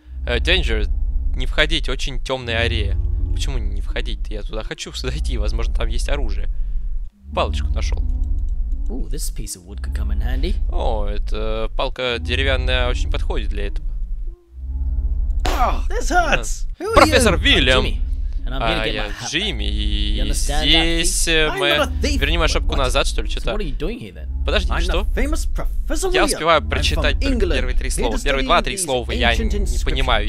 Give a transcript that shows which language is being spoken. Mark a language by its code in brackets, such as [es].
[ru] Danger, не входить, очень темная арея. Почему не входить-то? Я туда хочу зайти, возможно, там есть оружие. Палочку нашел. [en] Ooh, this piece of wood could come in handy. [ru] О, это палка деревянная очень подходит для этого. [en] This hurts. [ru] Профессор Вильям! [en] And I'm here to get [ru] я Джимми, и здесь мы... Верни мою шапку назад, что ли, что-то? Подожди, что? Я успеваю прочитать первые три слова, первые два-три слова, я не понимаю.